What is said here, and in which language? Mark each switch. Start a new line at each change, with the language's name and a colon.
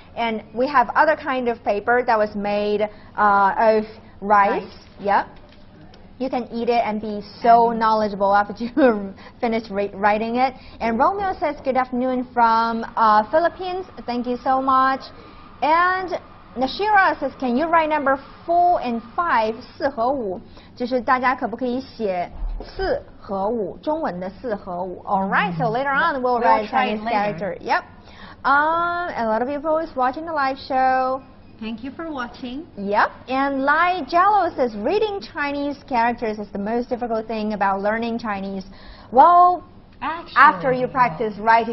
English: And we have other kind of paper that was made of rice. Yep. You can eat it and be so knowledgeable after you finish writing it. And Romeo says, good afternoon from Philippines. Thank you so much. And Nashira says, can you write number 4 and 5?
Chinese: 4和5. 就是大家可不可以写 4和5,中文的4和5.
English: Alright, so later on, we'll write Chinese character. Yep. A lot of people is watching the live show. Thank you for watching. Yep. And Lai Jello says, reading Chinese characters is the most difficult thing about learning Chinese. Well, actually, after you practice writing